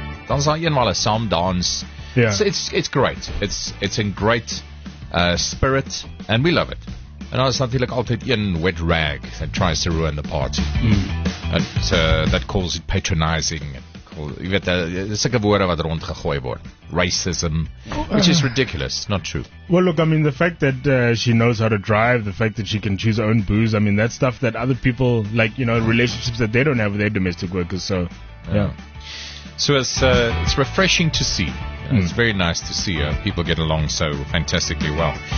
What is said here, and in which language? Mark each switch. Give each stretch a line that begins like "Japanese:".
Afrikaans: Dan is daar eenmal 'n saam dans.
English: Yeah. So it's great. It's in great spirit and we love it.
Afrikaans: En ons het natuurlik altyd een
English: wet rag that tries to ruin the party. That calls it patronizing.
Afrikaans: Jy weet, sulke woorde wat rondgegooi word.
English: Racism, which is ridiculous, not true. Well, look, I mean, the fact that she knows how to drive, the fact that she can choose her own booze, I mean, that's stuff that other people, like, you know, relationships that they don't have with their domestic workers, so, yeah. So it's refreshing to see. Mm. It's very nice to see people get along so fantastically well.